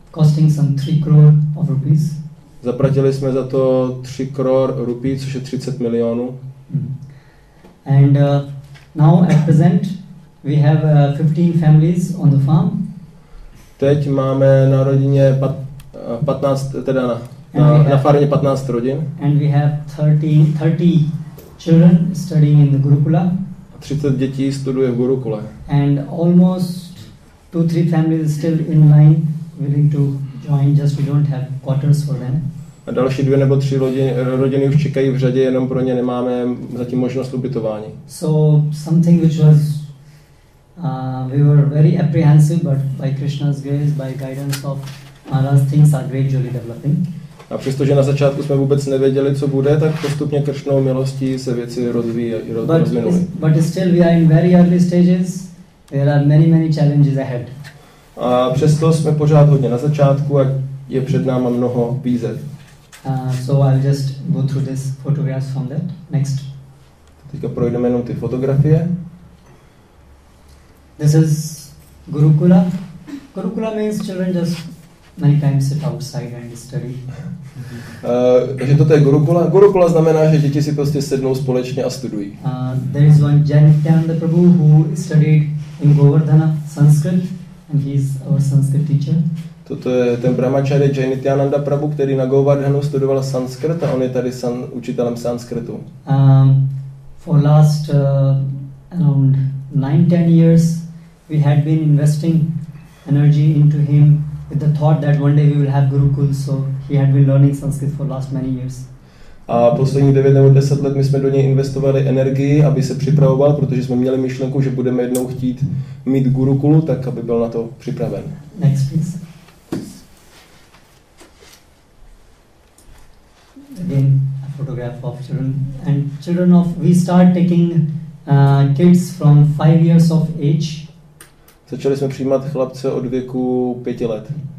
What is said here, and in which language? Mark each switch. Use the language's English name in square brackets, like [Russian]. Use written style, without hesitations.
[English] Costing some 3 crore of rupees. [Czech] Zaplatili jsme za to 3 crore rupí, což je 30 milionů. [English] And now at present we have 15 families on the farm. [Czech] Teď máme na rodině 15, teda na farmě 15 rodin. [English] And we have 30 children studying in the Gurukula. [Czech] 30 dětí studuje v Gurukule. [English] And almost 2-3 families still in line willing to join, just we don't have quarters for them. [Czech] A další 2 nebo 3 rodiny už čekají v řadě, jenom pro ně nemáme zatím možnost ubytování. [English] So something which was we were very apprehensive, but by Krishna's grace, by guidance of Maharaj, things are gradually developing. [Czech] A přestože na začátku jsme vůbec nevěděli, co bude, tak postupně Krishnou milostí se věci rozvinuly. [English] But still we are in very early stages. There are many challenges ahead. [Czech] A přesto jsme pořád hodně na začátku a je před náma mnoho výzev. [English] So I'll just go through this photographs from that. Next. [Czech] Teďka projdeme jenom ty fotografie. [English] This is Gurukula. Gurukula means children just many times sit outside and study. [Czech] Takže toto je Gurukula. Gurukula znamená, že děti si prostě sednou společně a studují. [English] There is one Janityananda Prabhu who studied in Govardhana Sanskrit and he is our Sanskrit teacher. [Czech] Toto je ten Brahmacharya Janityananda Prabhu, který na Govardhanu studoval sanskrit a on je tady učitelem sanskritu. [English] For last around 9-10 years we had been investing energy into him with the thought that one day we will have Gurukul, so he had been learning Sanskrit for last many years. [Czech] A poslední 9 nebo 10 let my jsme do něj investovali energii, aby se připravoval, protože jsme měli myšlenku, že budeme jednou chtít mít Gurukulu, tak aby byl na to připraven. [English] Next please. Again, a photograph of children. And children of, we start taking kids from 5 years of age. [Czech] Začali jsme přijímat chlapce od věku 5 let.